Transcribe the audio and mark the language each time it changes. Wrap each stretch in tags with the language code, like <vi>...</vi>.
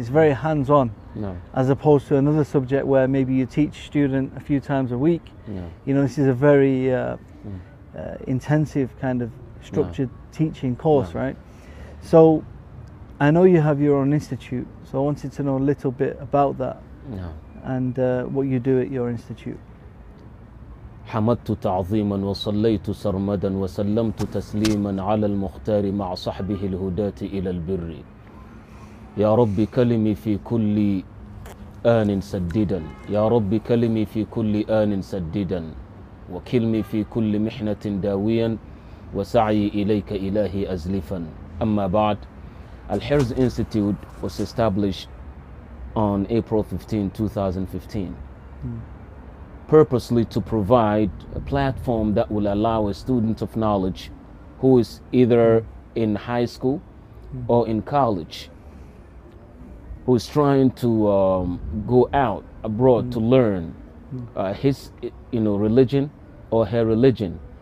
<en>It's very hands-on, as opposed to another subject where maybe you teach student a few times a week. No. You know, this is a very intensive kind of structured teaching course, right? So, I know you have your own institute, so I wanted to know a little bit about that and what you do at your institute.</en> <ar>حمدت تعظيما وصليت سرمدا وسلمت تسليما على المختار مع صحبه الهداة إلى البر يا رب كلمي في كل آن سددا يا رب كلمي في كل آن سددا وكلمي في كل محنة داويا وسعي إليك إلهي أزلفا. أما بعد,</ar> <en>Al-Hirz Institute was established on April 15, 2015, purposely to provide a platform that will allow a student of knowledge who is either in high school or in college, who is trying to go out abroad to learn his, you know, religion or her religion.</en>